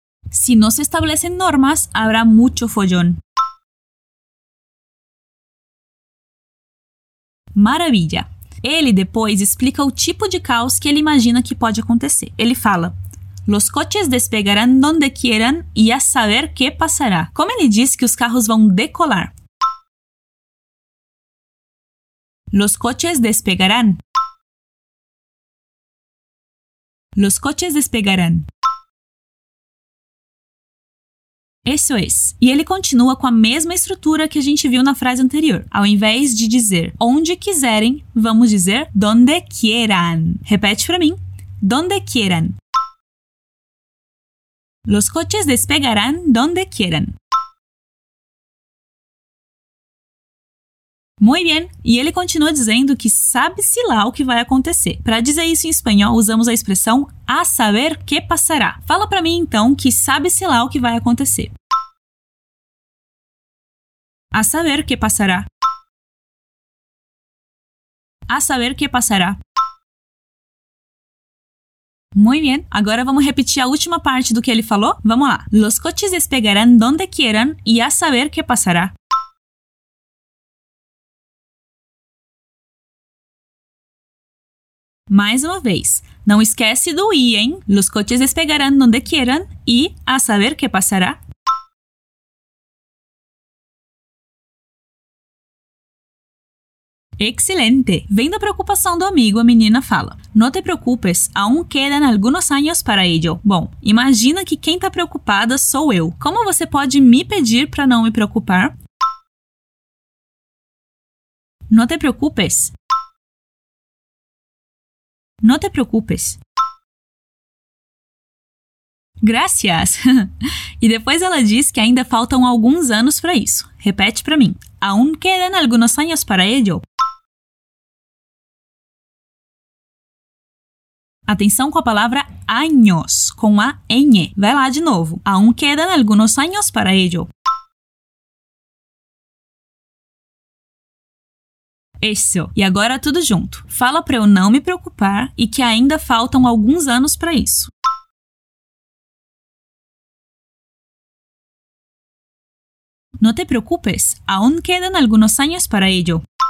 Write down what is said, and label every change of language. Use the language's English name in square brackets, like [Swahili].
[Portuguese] Se não se estabelecem normas, [Spanish] habrá mucho follón. [Portuguese] Maravilha! Ele depois explica o tipo de caos que ele imagina que pode acontecer. Ele fala: [Spanish] "Los coches despegarán donde quieran y a saber qué pasará." [Portuguese] Como ele diz que os carros vão decolar? [Spanish] Los coches despegarán. Los coches despegarán. [Portuguese] Isso é. E ele continua com a mesma estrutura que a gente viu na frase anterior. Ao invés de dizer onde quiserem, vamos dizer [Spanish] donde quieran. [Portuguese] Repete para mim. [Spanish] Donde quieran. Los coches despegarán donde quieran. Muy bien. [Portuguese] E ele continua dizendo que sabe-se lá o que vai acontecer. Para dizer isso em espanhol, usamos a expressão [Spanish] a saber qué pasará. [Portuguese] Fala para mim, então, que sabe-se lá o que vai acontecer. [Spanish] A saber qué pasará. A saber qué pasará. Muy bien. [Portuguese] Agora vamos repetir a última parte do que ele falou? Vamos lá. [Spanish] Los coches despegarán donde quieran y a saber qué pasará. [Portuguese] Mais uma vez. Não esquece do i, hein? [Spanish] Los coches despegarán donde quieran y a saber qué pasará. [Portuguese] Excelente! Vendo a preocupação do amigo, a menina fala: [Spanish] No te preocupes, aún quedan algunos años para ello. [Portuguese] Bom, imagina que quem está preocupada sou eu. Como você pode me pedir para não me preocupar? [Spanish] No te preocupes. No te preocupes. Gracias! [Portuguese] E depois ela diz que ainda faltam alguns anos para isso. Repete para mim: [Spanish] Aún quedan algunos años para ello. [Portuguese] Atenção com a palavra años, com a ñ. Vai lá de novo. [Spanish] Aún quedan algunos años para ello. [Portuguese] Isso. E agora tudo junto. Fala para eu não me preocupar e que ainda faltam alguns anos para isso. [Spanish] No te preocupes, aún quedan algunos años para ello.